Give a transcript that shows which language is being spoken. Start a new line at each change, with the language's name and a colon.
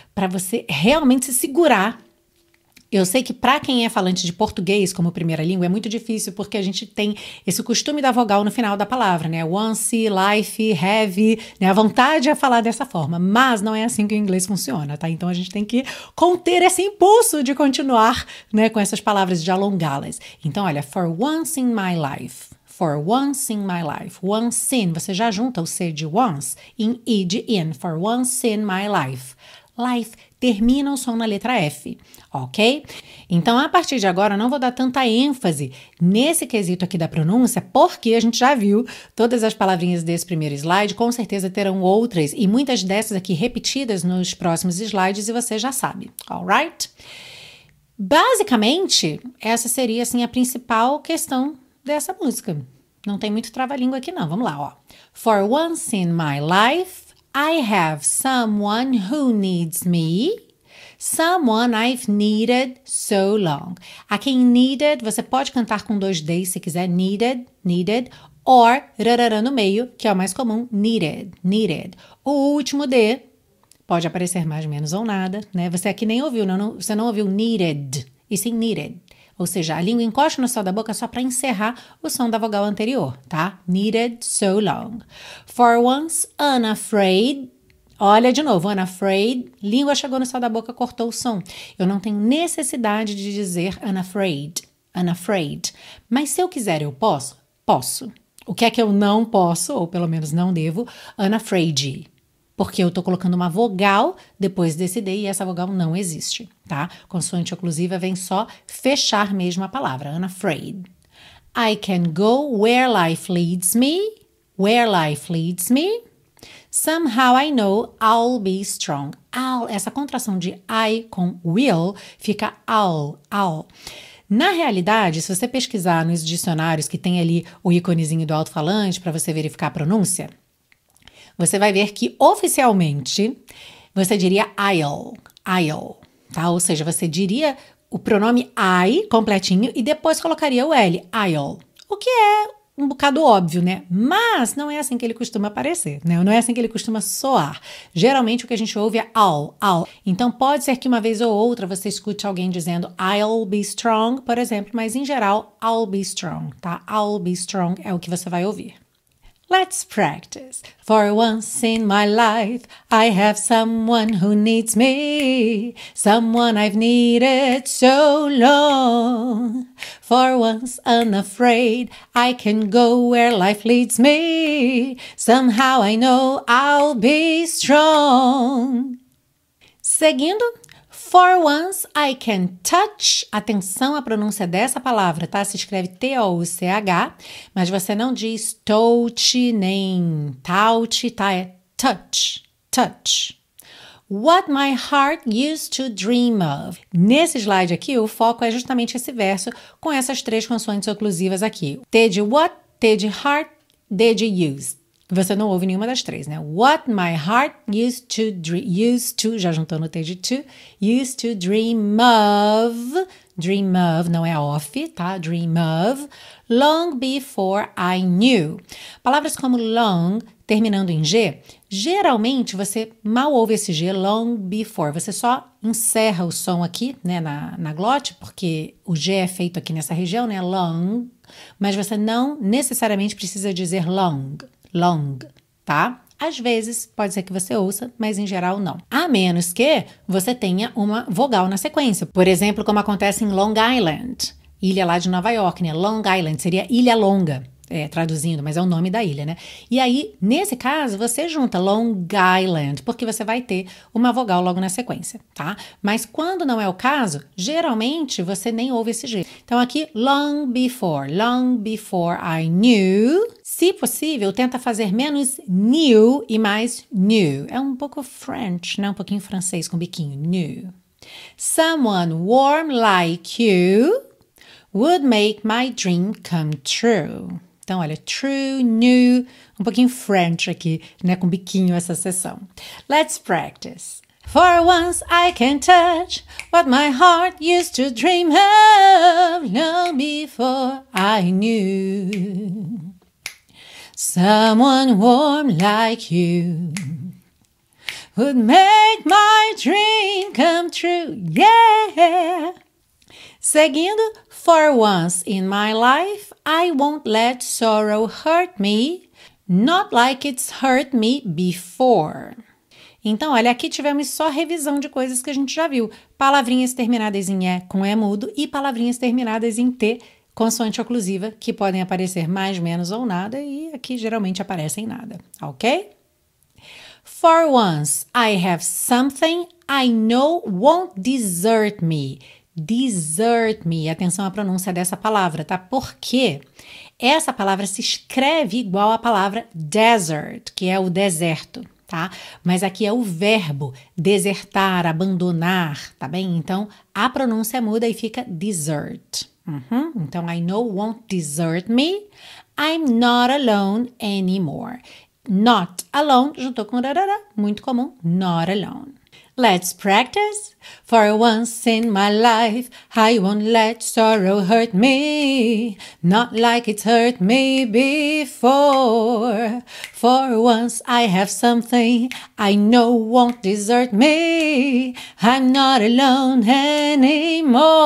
Portuguese: Para você realmente se segurar. Eu sei que para quem é falante de português como primeira língua é muito difícil porque a gente tem esse costume da vogal no final da palavra, né? Once, life, have, né? A vontade é falar dessa forma, mas não é assim que o inglês funciona, tá? Então a gente tem que conter esse impulso de continuar, né, com essas palavras, de alongá-las. Então, olha,
English: for once in my life. For once in my life, once in,
Portuguese: você já junta o C de
English: once em E de in, for once in my life.
Portuguese: Life termina o som na letra F, ok? Então, a partir de agora, eu não vou dar tanta ênfase nesse quesito aqui da pronúncia, porque a gente já viu todas as palavrinhas desse primeiro slide, com certeza terão outras e muitas dessas aqui repetidas nos próximos slides e você já sabe, alright? Basicamente, essa seria, assim, a principal questão dessa música. Não tem muito trava-língua aqui não, vamos lá, ó.
English: For once in my life, I have someone who needs me, someone I've needed so long.
Portuguese: Aqui em needed, você pode cantar com dois D's se quiser, needed, needed, or rarara no meio, que é o mais comum, needed, needed. O último D pode aparecer mais ou menos ou nada, né? Você aqui nem ouviu, não, você não ouviu needed, e sim needed. Ou seja, a língua encosta no céu da boca só para encerrar o som da vogal anterior, tá?
English: Needed so long. For once, unafraid.
Portuguese: Olha de novo, unafraid. Língua chegou no céu da boca, cortou o som. Eu não tenho necessidade de dizer unafraid. Unafraid. Mas se eu quiser, eu posso? Posso. O que é que eu não posso, ou pelo menos não devo? Unafraid. Porque eu tô colocando uma vogal depois desse D e essa vogal não existe, tá? Consoante oclusiva vem só fechar mesmo a palavra, unafraid.
English: I can go where life leads me, where life leads me. Somehow I know I'll be strong.
Portuguese: I'll, essa contração de I com will fica I'll. Na realidade, se você pesquisar nos dicionários que tem ali o íconezinho do alto-falante para você verificar a pronúncia, você vai ver que, oficialmente, você diria I'll, tá? Ou seja, você diria o pronome I completinho e depois colocaria o L, I'll. O que é um bocado óbvio, né? Mas não é assim que ele costuma aparecer, né? Não é assim que ele costuma soar. Geralmente, o que a gente ouve é I'll. Então, pode ser que uma vez ou outra você escute alguém dizendo
English: I'll be strong,
Portuguese: por exemplo, mas, em geral, I'll be strong, tá?
English: I'll be strong
Portuguese: é o que você vai ouvir.
English: Let's practice. For once in my life, I have someone who needs me. Someone I've needed so long. For once unafraid, I can go where life leads me. Somehow I know I'll be strong.
Portuguese: Seguindo.
English: For once I can touch,
Portuguese: atenção à pronúncia dessa palavra, tá? Se escreve T-O-U-C-H, mas você não diz touch nem touch, tá? É
English: touch, touch. What my heart used to dream of.
Portuguese: Nesse slide aqui, o foco é justamente esse verso com essas três consoantes oclusivas aqui. T de what, T de heart, D de used. Você não ouve nenhuma das três, né?
English: What my heart used to,
Portuguese: já juntou no T de
English: to, used to dream of,
Portuguese: não é
English: off, tá? Dream of, long before I knew.
Portuguese: Palavras como long, terminando em G, geralmente você mal ouve esse G,
English: long before,
Portuguese: você só encerra o som aqui, né, na glote, porque o G é feito aqui nessa região, né, long, mas você não necessariamente precisa dizer long. Long, tá? Às vezes, pode ser que você ouça, mas em geral não. A menos que você tenha uma vogal na sequência. Por exemplo, como acontece em Long Island, ilha lá de Nova York, né? Long Island seria ilha longa, traduzindo, mas é o nome da ilha, né? E aí, nesse caso, você junta Long Island, porque você vai ter uma vogal logo na sequência, tá? Mas quando não é o caso, geralmente você nem ouve esse jeito. Então aqui,
English: long before I knew.
Portuguese: Se possível, tenta fazer menos new e mais new. É um pouco French, né? Um pouquinho francês com biquinho, new.
English: Someone warm like you would make my dream come true.
Portuguese: Então, olha, true, new, um pouquinho French aqui, né, com biquinho essa sessão.
English: Let's practice. For once I can touch what my heart used to dream of long before I knew. Someone warm like you would make my dream come true, yeah.
Portuguese: Seguindo,
English: for once in my life, I won't let sorrow hurt me, not like it's hurt me before.
Portuguese: Então, olha, aqui tivemos só revisão de coisas que a gente já viu. Palavrinhas terminadas em E com E mudo e palavrinhas terminadas em T, consoante oclusiva, que podem aparecer mais, menos ou nada, e aqui geralmente aparecem nada, ok?
English: For once, I have something I know won't desert me.
Portuguese: Desert me, atenção à pronúncia dessa palavra, tá? Porque essa palavra se escreve igual à palavra desert, que é o deserto, tá? Mas aqui é o verbo desertar, abandonar, tá bem? Então, a pronúncia muda e fica desert. Uhum. Então,
English: I know won't desert me. I'm not alone anymore. Not alone,
Portuguese: juntou com rarara, muito comum, not alone.
English: Let's practice. For once in my life, I won't let sorrow hurt me, not like it's hurt me before. For once I have something I know won't desert me, I'm not alone anymore.